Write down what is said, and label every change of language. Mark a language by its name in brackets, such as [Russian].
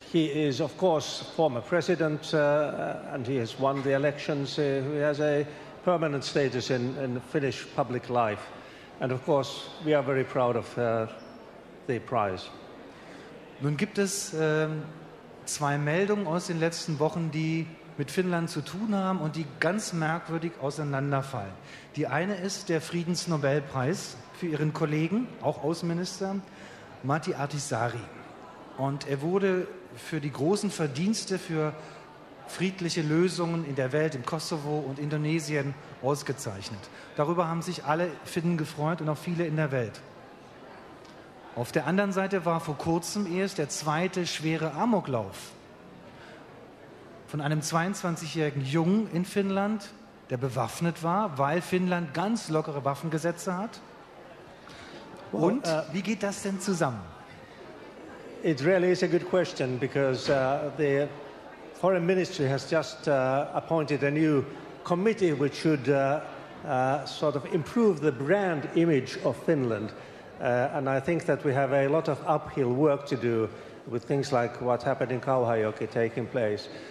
[English] He is, of course, former president, and he has won the elections. He has a permanent status in Finnish public life. And of course, we are very proud of the prize. [German] Nun gibt es zwei Meldungen aus den letzten Wochen, die mit Finnland zu tun haben und die ganz merkwürdig auseinanderfallen. Die eine ist der Friedensnobelpreis für ihren Kollegen, auch Außenminister, Matti Ahtisaari. Und er wurde für die großen Verdienste für friedliche Lösungen in der Welt, im Kosovo und Indonesien ausgezeichnet. Darüber haben sich alle Finnen gefreut und auch viele in der Welt. Auf der anderen Seite war vor kurzem erst der zweite schwere Amoklauf von einem 22-jährigen Jungen in Finnland, der bewaffnet war, weil Finnland ganz lockere Waffengesetze hat. Und wie geht das denn zusammen? [English] It really is a good question because the Foreign Ministry has just appointed a new committee which should sort of improve the brand image of Finland. And I think that we have a lot of uphill work to do with things like what happened in Kauhajoki taking place.